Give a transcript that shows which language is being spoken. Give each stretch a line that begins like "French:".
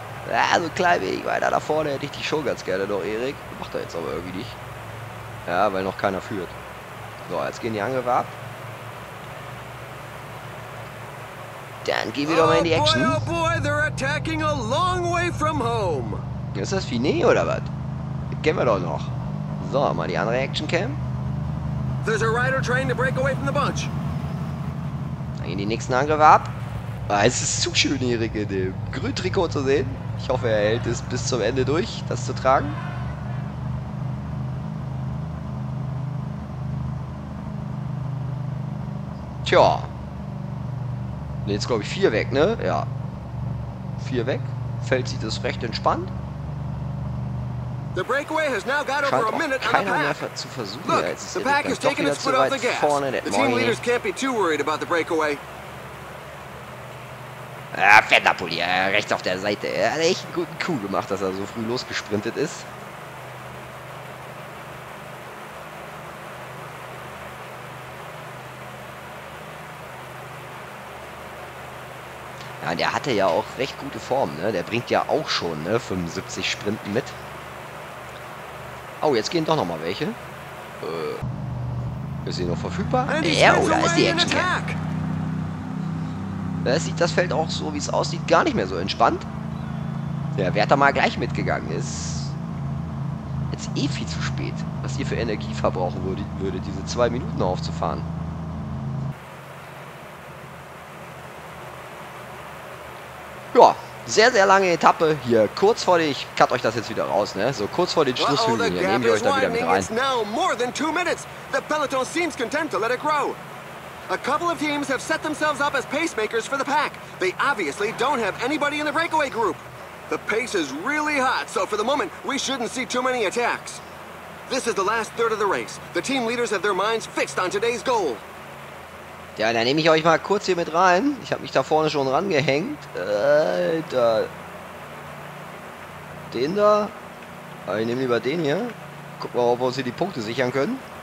German: Ja, so ein klein wenig weiter da vorne hätte ich die Show ganz gerne noch, Erik. Macht er jetzt aber irgendwie nicht. Ja, weil noch keiner führt. So, jetzt gehen die Angriffe ab. Dann gehen wir doch mal in die Action.
English: Oh boy, they're attacking a long way from home.
German: Ist das Finet oder was? Kennen wir doch noch. So, mal die andere Action-Cam.
English: There's a rider trying to break away from the bunch.
German: Dann gehen die nächsten Angriffe ab. Ah, es ist zu schön, Erik, in dem grünen Trikot zu sehen. Ich hoffe, er hält es bis zum Ende durch, das zu tragen. Tja. Ne, jetzt glaube ich vier weg, ne? Ja. Vier weg. Fällt sich das recht entspannt.
English: The breakaway has now got over a minute
German: keiner
English: on the pack.
German: Mehr zu versuchen.
English: Look, the pack has taken its foot off the gas.
German: Vorne,
English: the team leaders can't be too worried about the breakaway.
German: Ah, Fenderpulli, rechts auf der Seite. Er hat echt einen guten Coup gemacht, dass er so früh losgesprintet ist. Ja, der hatte ja auch recht gute Form, ne? Der bringt ja auch schon, ne, 75 Sprinten mit. Oh, jetzt gehen doch nochmal welche. Ist sie noch verfügbar? Ja, oder ist die Action-Cam? Das Feld auch so, wie es aussieht, gar nicht mehr so entspannt. Ja, wer da mal gleich mitgegangen ist, jetzt eh viel zu spät, was ihr für Energie verbrauchen würde, diese 2 Minuten aufzufahren. Ja, sehr, sehr lange Etappe hier, kurz vor, ich cut euch das jetzt wieder raus, ne? So kurz vor den Schlusshügeln hier, nehmen wir euch da wieder mit rein.
English: The peloton seems content to let it grow. A couple of teams have set themselves up as pacemakers for the pack. They obviously don't have anybody in the breakaway group. The pace is really hot, so for the moment, we shouldn't see too many attacks. This is the last third of the race. The team leaders have their minds fixed on today's goal.
German: Ja, dann nehme ich euch mal kurz hier mit rein. Ich habe mich da vorne schon rangehängt. Alter. Den da. Aber ich nehme lieber den hier. Guck mal, ob wir uns hier die Punkte sichern können.